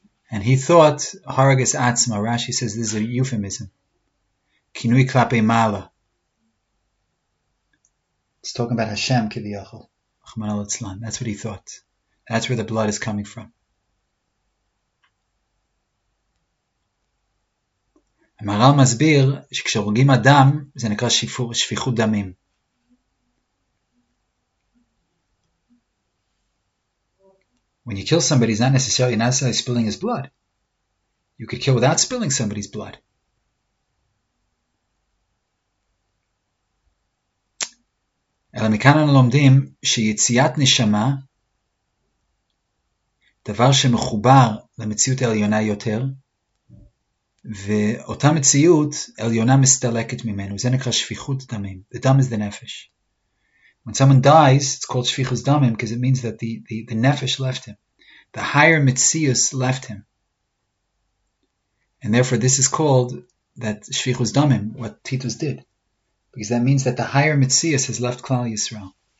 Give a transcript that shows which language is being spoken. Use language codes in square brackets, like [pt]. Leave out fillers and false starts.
[en] And he thought, [he] harag et atzmo, [en] Rashi says this is a euphemism. [he] Kinui klape mala. [en] It's talking about Hashem, kiviyachol. [he] Rachman al etzlan. [en] That's what he thought. That's where the blood is coming from. [he] המהר"ל מסביר שכשהורגים אדם זה נקרא שפיכות דמים. [en] When you kill somebody, it's not necessarily spilling his blood. You could kill without spilling somebody's blood. [he] אלא מכאן אנחנו לומדים שיציאת נשמה, דבר שמחובר למציאות העליונה יותר, ואותה מציאות עליונה מסתלקת ממנו. זה נקרא שפיכות דמים. [en] The dam is the nefesh. When someone dies, it's called שפיכות דמים, because it means that the nefesh left him. The higher mitzius left him. And therefore this is called that שפיכות דמים, what Titus did. Because that means that the higher mitzius has left Klal Yisrael.